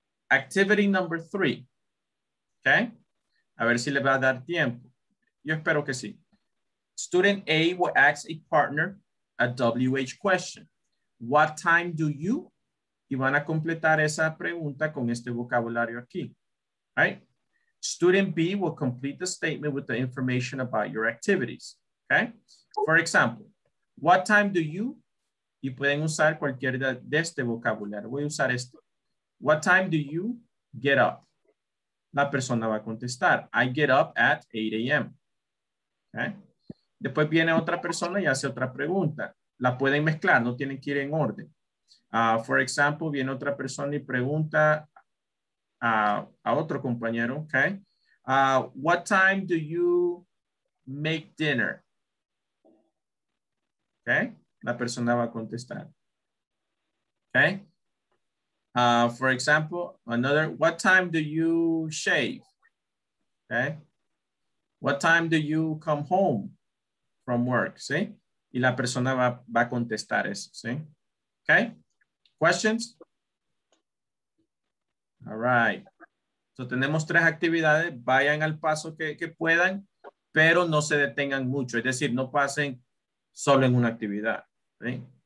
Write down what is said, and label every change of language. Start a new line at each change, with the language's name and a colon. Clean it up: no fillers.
English: Activity number three. Okay.
Spanish: A ver si le va a dar tiempo. Yo espero que sí.
English: Student A will ask a partner a WH question. What time do you?
Spanish: Y van a completar esa pregunta con este vocabulario aquí.
English: Right? Student B will complete the statement with the information about your activities. Okay? For example, what time do you?
Spanish: Y pueden usar cualquier de este vocabulario. Voy a usar esto.
English: What time do you get up?
Spanish: La persona va a contestar.
English: I get up at 8 a.m. Okay?
Spanish: Después viene otra persona y hace otra pregunta. La pueden mezclar, no tienen que ir en orden.
English: For example,
Spanish: viene otra persona y pregunta a otro compañero, okay?
English: What time do you make dinner?
Spanish: Okay? La persona va a contestar. Okay?
English: For example, another, what time do you shave? Okay? What time do you come home from work?
Spanish: ¿Sí? Y la persona va a contestar eso, ¿sí?
English: Okay? Questions? All right.
Spanish: So tenemos tres actividades. Vayan al paso que puedan, pero no se detengan mucho. Es decir, no pasen solo en una actividad, ¿sí?